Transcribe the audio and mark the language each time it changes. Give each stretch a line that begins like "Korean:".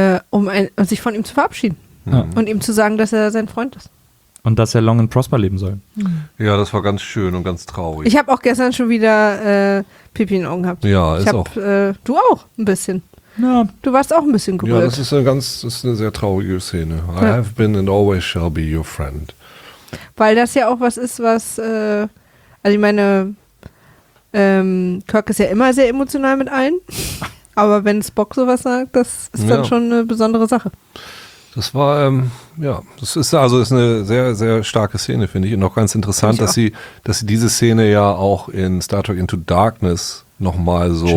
German: Um sich von ihm zu verabschieden. Ja. Und ihm zu sagen, dass er sein Freund ist. Und dass er
English: long and prosper
German: leben soll. Ja, das war ganz schön und ganz traurig. Ich habe auch gestern schon wieder Pipi in den Augen gehabt. Ja, ist auch. Du auch ein bisschen. Ja. Du warst auch ein bisschen gerührt. Ja, das ist eine sehr traurige Szene. Ja.
English: I have been and always shall be your friend.
German: Weil das ja auch was ist, was, also ich meine, Kirk ist ja immer sehr emotional mit allen. Aber wenn Spock sowas sagt, das ist dann schon eine besondere Sache. Das war, das ist eine sehr, sehr starke Szene, finde ich. Und auch ganz interessant, dass sie diese Szene ja auch in Star Trek Into Darkness nochmal so